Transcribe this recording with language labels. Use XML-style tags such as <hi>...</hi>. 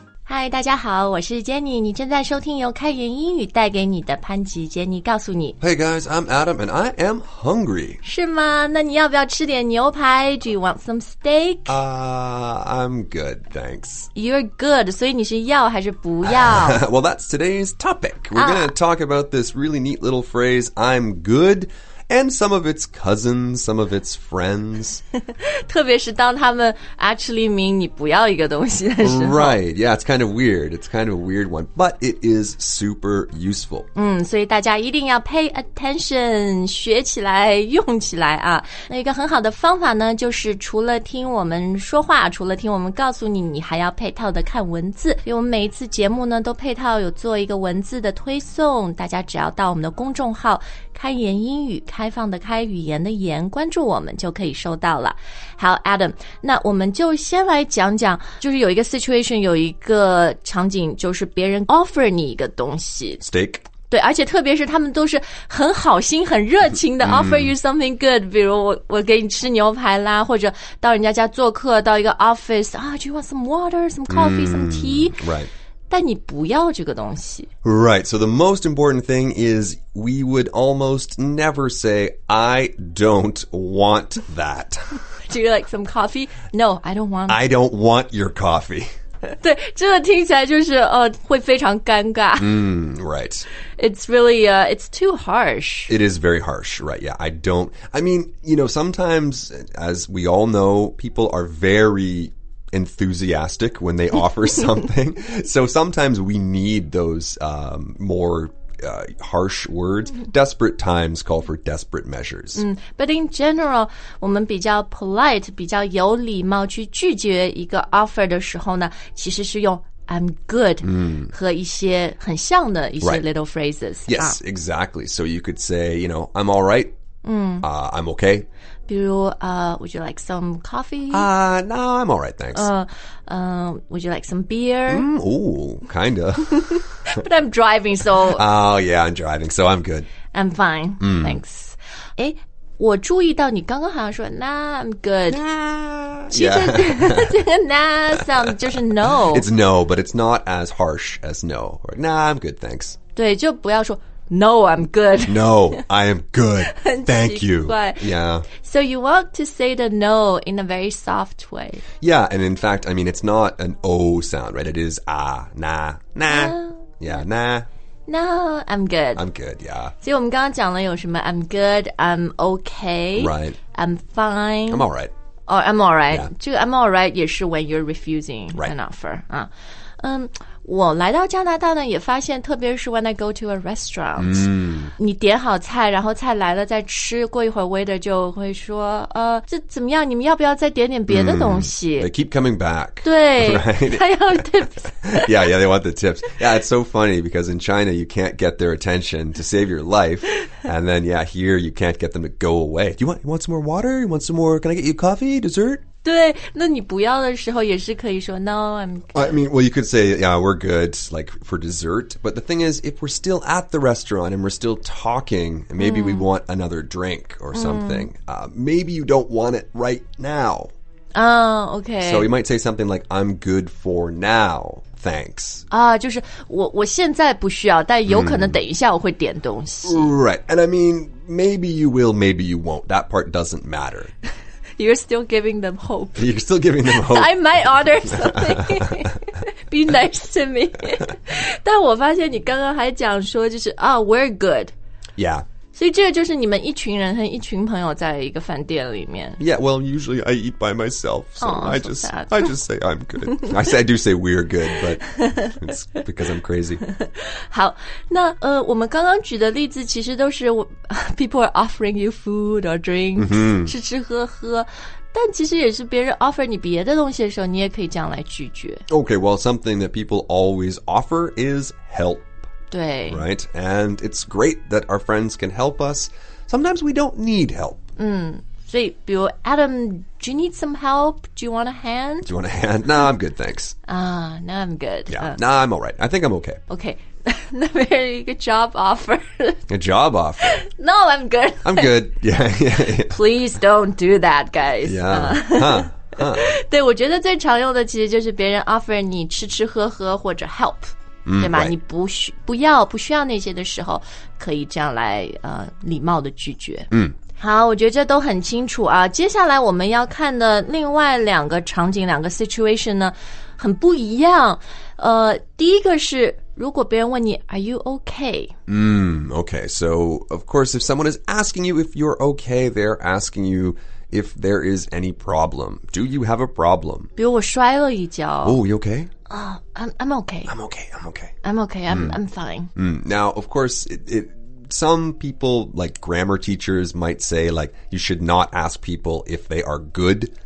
<zh>嗨，大家好，我是 Jenny， 你正在收听由开源英语带给你的潘吉 Jenny 告诉你。</zh> <en>Hey guys, I'm Adam and I am hungry.</en> <zh>是吗？那你要不要吃点牛排？</zh> <en>Do you want some steak? I'm good, thanks. You're good,</en> <zh>所以你是要还是不要？</zh> <en>Well, that's today's topic. We're going to talk about this really neat little phrase, I'm good. And some of its cousins, some of its friends.</en> <zh>特别是当他们</zh> <en>actually mean</en> <zh>你不要一个东西的时候。</zh> <en>Right, yeah, it's kind of weird. It's kind of a weird one. But it is super useful.</en> <zh>所以大家一定要</zh> <en>pay attention,</en> <zh>学起来用起来啊。那一个很好的方法呢就是除了听我们说话除了听我们告诉你你还要配套的看文字。因为我们每一次节目呢都配套有做一个文字的推送。大家只要到我们的公众号开言英语开放的开语言的言关注我们就可以收到了。好 Adam, 那我们就先来讲讲就是有一个 situation, 有一个场景就是别人 offer 你一个东西。</zh> <en>Steak?</en> <zh>对而且特别是他们都是很好心很热情的</zh> <en>offer you something good,</en> <zh>比如我给你吃牛排啦或者到人家家做客到一个 office, 啊、</zh> <en>do you want some water, some coffee, some tea? Right.</en> <zh>但你不要这个东西。</zh> <en>Right, so the most important thing is we would almost never say, I don't want that. Do you like some coffee? No, I don't want I don't want your coffee.</en> <zh>对这个听起来就是、会非常尴尬。</zh> <en>Right. It's really, it's too harsh. It is very harsh, right, yeah. I mean, you know, sometimes, as we all know, people are very... enthusiastic when they offer something. So sometimes we need those more harsh words. Desperate times call for desperate measures. But in general,</en> <zh>我们比较 polite, 比较有礼貌去拒绝一个 offer 的时候呢其实是用</zh> <en>I'm good、</en> <zh>和一些很像的一些、</zh> <en>right. little phrases. Yes,、exactly. So you could say, you know, I'm all right. I'm okay. 比如、would you like some coffee?、 no, I'm all right, thanks. Would you like some beer?、 ooh, kinda. But I'm driving, so... Oh, yeah, I'm driving, so I'm good. I'm fine,、thanks.</en> <zh>诶我注意到你刚刚好像说</zh> <en>Nah, I'm good. Nah,</en> <zh>其实、这个 Nah sound 就是 No.</zh> <en>It's No, but it's not as harsh as No. Or, nah, I'm good, thanks. 对就不要说 No, I'm good. No, I am good. Thank you. Yeah. So you want to say the no in a very soft way. Yeah, and in fact, I mean, it's not an O sound, right? It is ah, nah, nah. Yeah, nah. No, I'm good. I'm good, yeah.</en> <zh>所以我们刚刚讲了有什么</zh> <en>I'm good, I'm okay. Right. I'm fine. I'm all right. Oh, I'm all right. Yeah.</en> <zh>这个</zh> <en>I'm all right</en> <zh>也是</zh> <en>when you're refusing、 right. an offer.</en> <zh>我来到加拿大呢也发现特别是</zh> <en>when I go to a restaurant、</en> <zh>你点好菜然后菜来了再吃过一会儿 waiter 就会说这怎么样你们要不要再点点别的东西、</zh> <en>They keep coming back</en> <zh>对、</zh> <en>right?</en> <zh>还要 tips</zh> <en>Yeah, yeah, they want the tips Yeah, it's so funny because in China you can't get their attention to save your life And then yeah, here you can't get them to go away Do you want some more water? You want some more? Can I get you coffee? Dessert?</en> <zh>对那你不要的时候也是可以说</zh> <en>No, I'm good. I mean, well, you could say, yeah, we're good, like, for dessert. But the thing is, if we're still at the restaurant and we're still talking, maybe、we want another drink or something,、maybe you don't want it right now. Oh, okay. So you might say something like, I'm good for now, thanks.</en> <zh>啊、就是我现在不需要但有可能等一下我会点东西。</zh> <en>Right, and I mean, maybe you will, maybe you won't. That part doesn't matter. You're still giving them hope. You're still giving them hope. I might order something. Be nice to me.</en> <zh>但我发现你刚刚还讲说就是、</zh> <en>oh, we're good. Yeah.</en> <zh>所以这个就是你们一群人和一群朋友在一个饭店里面。</zh> <en>Yeah, well, usually I eat by myself. So, oh, I, so just, sad. I just say I'm good. I, say, I do say we're good, but it's because I'm crazy.</en> <zh>好那、我们刚刚举的例子其实都是</zh> <en>people are offering you food or drinks,、</en> <zh>吃吃喝喝。但其实也是别人 offer 你别的东西的时候你也可以这样来拒绝。</zh> <en>Okay, well, something that people always offer is help.</en> <zh>对</zh> <en>right, and it's great that our friends can help us. Sometimes we don't need help.</en> <zh>所以比如</zh> <en>Adam, do you need some help? Do you want a hand? Do you want a hand? No, I'm good, thanks. Ah, no, I'm good. Yeah, no, I'm all right. I think I'm okay.</en> <zh>Okay, 那边有一个 job offer.</zh> <en>A job offer? No, I'm good. I'm good, yeah. Please don't do that, guys. Yeah,</en> <zh>对，我觉得最常用的其实就是别人 offer 你吃吃喝喝或者 help、嗯、对吗、</zh> <en>right.</en> <zh>你不需不要不需要那些的时候可以这样来礼貌的拒绝。嗯，好，我觉得这都很清楚啊。接下来我们要看的另外两个场景，两个 situation 呢很不一样。第一个是如果别人问你</zh> <en>Are you okay? Okay, so of course if someone is asking you if you're okay, they're asking you if there is any problem. Do you have a problem?</en> <zh>比如我摔了一跤。</zh> <en>Oh, you okay? I'm okay. I'm fine. Now, of course, some people, like grammar teachers, might say, like, you should not ask people if they are good.</en>